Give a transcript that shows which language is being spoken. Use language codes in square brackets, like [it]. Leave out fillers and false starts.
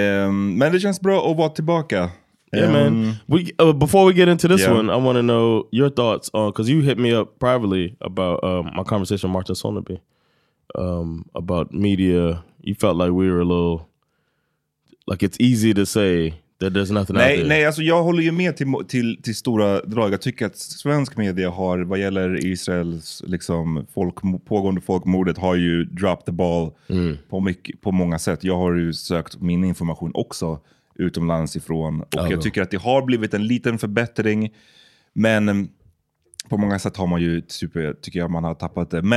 [sv] Men det känns bra att vara tillbaka. [en] Yeah, man. Before we get into this one, I want to know your thoughts on, because you hit me up privately about my conversation with Martin Sonneby about media. You felt like we were a little, like it's easy to say that there's nothing out there. [sv] Nej, alltså jag håller ju med till stora drag. Jag tycker att svensk media har, vad gäller Israels liksom, pågående folkmordet, har ju [en] dropped the ball [sv] på många sätt. Jag har ju sökt min information också utomlands ifrån. Och jag tycker att det har blivit en liten förbättring. Men på många sätt har man ju, tycker jag, man har tappat det.